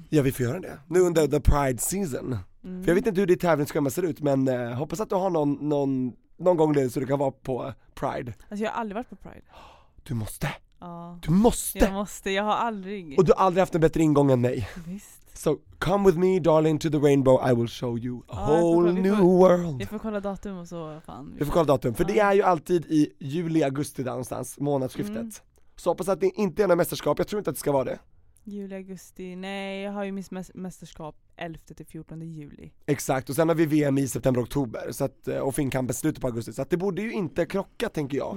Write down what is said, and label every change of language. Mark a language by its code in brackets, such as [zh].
[sv] Ja, vi får göra det, nu [en] under the pride season. [sv] För jag vet inte hur ditt tävlingsskämma ser ut. Men hoppas att du har någon gång ledig så du kan vara på pride. Alltså jag har aldrig varit på pride. Du måste. Ja. Du måste. Jag måste, jag har aldrig. Och du har aldrig haft en bättre ingång än mig. Visst. [en] So come with me darling to the rainbow, I will show you a whole new world. [sv] Vi får kolla datum och så fan. Vi får kolla datum, för det är ju alltid i juli, augusti där någonstans, månadsskiftet. Så hoppas att det inte är något mästerskap, jag tror inte att det ska vara det. Juli, augusti, nej jag har ju mitt mästerskap 11-14 juli. Exakt, och sen har vi VM i september och oktober så att, och Finnkampen slutar på augusti. Så att det borde ju inte krocka tänker jag.